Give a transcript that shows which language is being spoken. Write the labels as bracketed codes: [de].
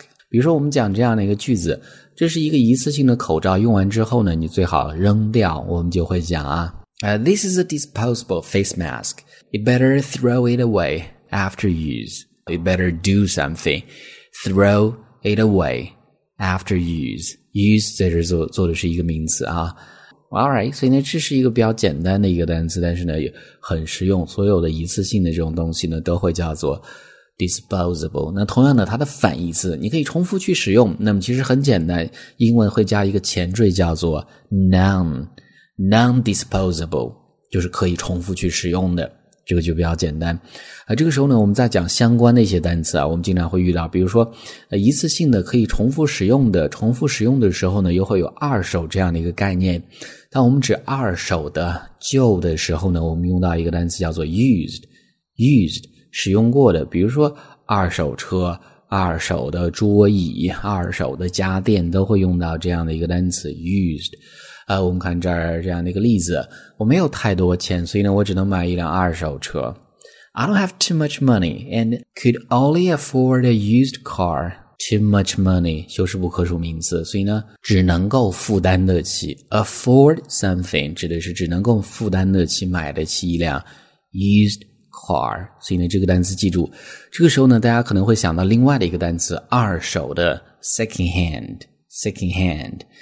[zh] 比如说我们讲这样的一个句子，这是一个一次性的口罩，用完之后呢，你最好扔掉。我们就会讲啊， [en] This is a disposable face mask. You better throw it away. After use, you better do something. Throw it away after use. [zh] Use 在这做的是一个名词啊。 [en] Alright, [zh] 所以呢，这是一个比较简单的一个单词，但是呢，也很实用。所有的一次性的这种东西呢，都会叫做 disposable。那同样的，它的反义词，你可以重复去使用。那么其实很简单，英文会加一个前缀叫做 non-disposable， 就是可以重复去使用的。这个就比较简单。这个时候呢，我们在讲相关的一些单词啊，我们经常会遇到，比如说一次性的可以重复使用的，重复使用的时候呢，又会有二手这样的一个概念。当我们指二手的旧的时候呢，我们用到一个单词叫做 used， 使用过的，比如说二手车，二手的桌椅，二手的家电，都会用到这样的一个单词 used。我们看这儿这样的一个例子，我没有太多钱，所以呢，我只能买一辆二手车。 [en] I don't have too much money and could only afford a used car. Too much money [zh] 修饰不可数名词，所以呢，只能够负担得起。 [en] Afford something [zh] 指的是只能够负担得起，买得起一辆 [en] used car。 [zh] 所以呢，这个单词记住。这个时候呢，大家可能会想到另外的一个单词，二手的 secondhand。